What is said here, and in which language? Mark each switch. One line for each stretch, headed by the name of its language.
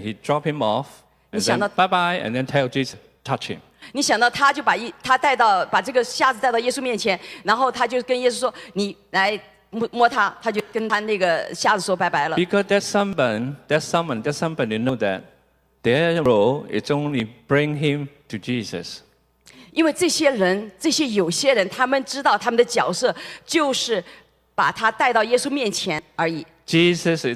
English: he drop him off, and then bye bye, and then tell Jesus, "Touch him."
Chinese: 你想到他就把这个瞎子带到耶稣面前，然后他就跟耶稣说：“你来摸他。”他就跟他那个瞎子说拜拜了。
English: Because that somebody know that their role is only bring him to Jesus.
Chinese: 因为这些人，这些有些人，他们知道他们的角色就是把他带到耶稣面前而已。
English: Jesus